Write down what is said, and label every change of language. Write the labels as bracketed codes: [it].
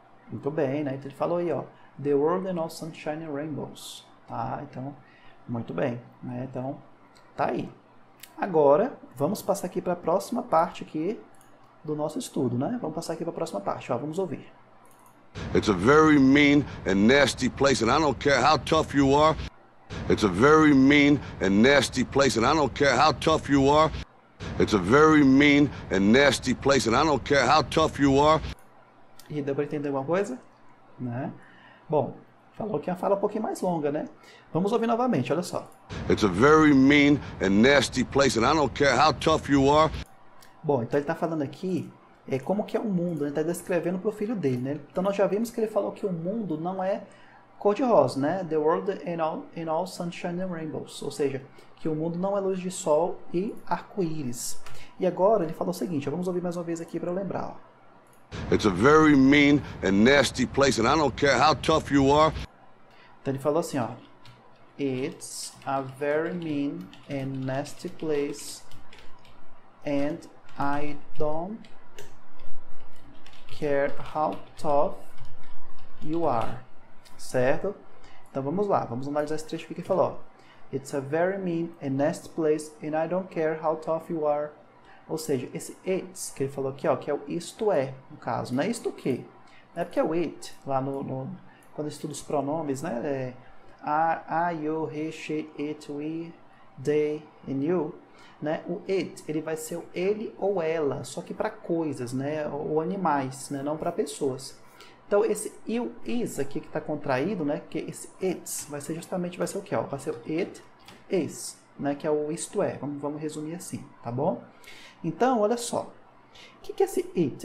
[pt] Muito bem, né? Então ele falou aí, ó, [en] the world ain't all sunshine and rainbows. [pt] Tá, então, muito bem, né? Então, tá aí. Agora, vamos passar aqui para a próxima parte aqui do nosso estudo, né? Vamos passar aqui para a próxima parte, ó, vamos ouvir. [en] It's a very mean and nasty place, and I don't care how tough you are. It's a very mean and nasty place, and I don't care how tough you are. It's a very mean and nasty place, and I don't care how tough you are. [pt] E deu para entender alguma coisa, né? Bom, Falou que ia falar um pouquinho mais longa, né? Vamos ouvir novamente, olha só. [en] It's a very mean and nasty place, and I don't care how tough you are. [pt] Bom, então ele tá falando aqui é como que é o mundo, né? Ele tá descrevendo pro filho dele, né? Então nós já vimos que ele falou que o mundo não é cor-de-rosa, né? [en] The world in all sunshine and rainbows. [pt] Ou seja, que o mundo não é luz de sol e arco-íris. E agora ele falou o seguinte, vamos ouvir mais uma vez aqui para lembrar, ó. [en] It's a very mean and nasty place, and I don't care how tough you are. [pt] Então ele falou assim, ó. [en] It's a very mean and nasty place, and I don't care how tough you are. [pt] Certo? Então vamos lá, vamos analisar esse trecho aqui que ele falou. [en] It's a very mean and nasty place, and I don't care how tough you are. [pt] Ou seja, esse it's que ele falou aqui, ó, que é o isto é, no caso. Não é isto o quê? Não é porque é o it, lá no quando estuda os pronomes, né? É, [en] are you, he, she, it, we, they, and you. [pt] Né? O it, ele vai ser o ele ou ela, só que para coisas, né? Ou animais, né? Não para pessoas. Então, esse you is aqui que está contraído, né? Que esse it's vai ser justamente, vai ser o quê? Ó? Vai ser o it is, né? Que é o isto é. Vamos resumir assim, tá bom? Então, olha só. O que, que é esse it?